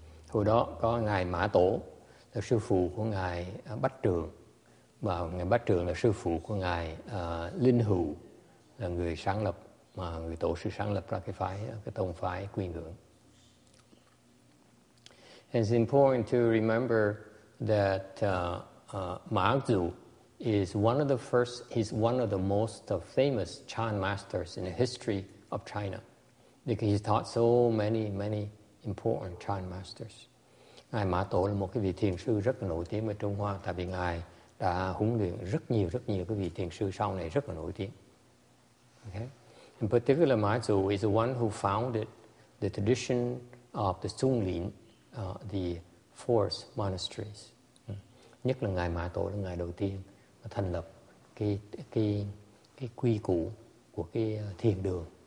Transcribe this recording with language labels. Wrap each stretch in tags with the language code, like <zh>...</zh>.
<vi>Hồi đó có ngài Mã Tổ là sư phụ của ngài Bách Trường, và ngài Bách Trường là sư phụ của ngài Linh Hữu, là người sáng lập mà người tổ sư sáng lập ra cái tông phái Quy Ngưỡng.</vi> <en>It's important to remember that Ma Zu is one of the first. He's one of the most famous Chan masters in the history of China, because he's taught so many important Chan masters.</en> <vi>Ngài Mã Tổ là một cái vị thiền sư rất là nổi tiếng ở Trung Hoa, tại vì ngài đã huấn luyện rất nhiều cái vị thiền sư sau này rất là nổi tiếng.</vi> <en>Okay, in particular, Ma Zu is the one who founded the tradition of the Sung Lin, the fourth monasteries.</en> <vi>Nhất là ngài Mã Tổ là ngài đầu tiên mà thành lập cái quy củ của cái thiền đường.</vi>